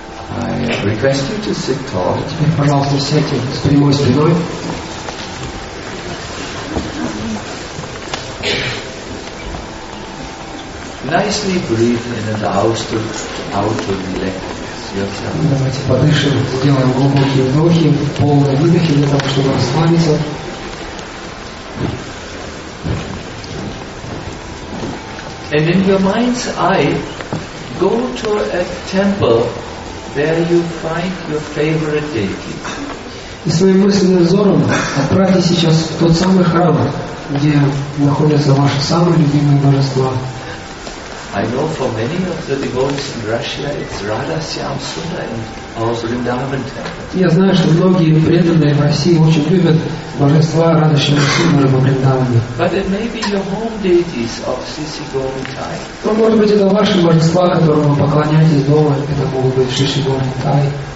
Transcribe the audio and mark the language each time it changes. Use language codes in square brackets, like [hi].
[en] I request you to sit tall. [ru] Теперь, пожалуйста, сядьте с прямой спиной. [en] Nicely breathe in and out of yourself. [ru] Давайте подышим, сделаем глубокие вдохи, полные выдохи для того, чтобы расслабиться. [en] And in your mind's eye, go to a temple where you find your favorite deity. [ru] И своим мысленным взором отправьте сейчас в тот самый храм, где находятся ваши самые любимые божества. [en] I know for many of the devotees in Russia, it's Radha Syam Sundar and also Vrindavan Temple. [ru] Я знаю, что многие преданные в России очень любят божества Радха Сиам Сундар и Вриндаваны. [en] But it may be your home deities of Sisi Govindai. [ru] Но может быть это ваши божества, которым вы поклоняетесь дома, это могут быть Сиси Говиндай.